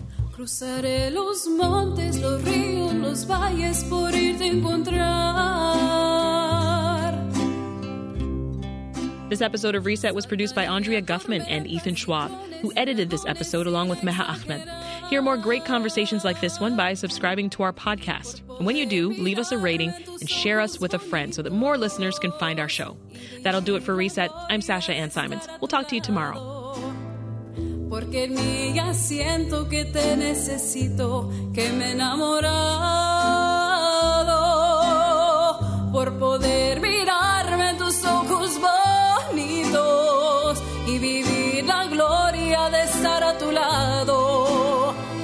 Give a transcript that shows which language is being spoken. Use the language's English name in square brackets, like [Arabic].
[Spanish] Cruzaré los montes, los ríos, los valles por irte a encontrar. [English] This episode of Reset was produced by Andrea Guffman and Ethan Schwab, who edited this episode along with Meha Ahmed. Hear more great conversations like this one by subscribing to our podcast. And when you do, leave us a rating and share us with a friend so that more listeners can find our show. That'll do it for Reset. I'm Sasha Ann Simons. We'll talk to you tomorrow. [Spanish] Porque en mí ya siento que te necesito, que me he enamorado. Por poder mirarme en tus ojos bonitos y vivir la gloria de estar a tu lado.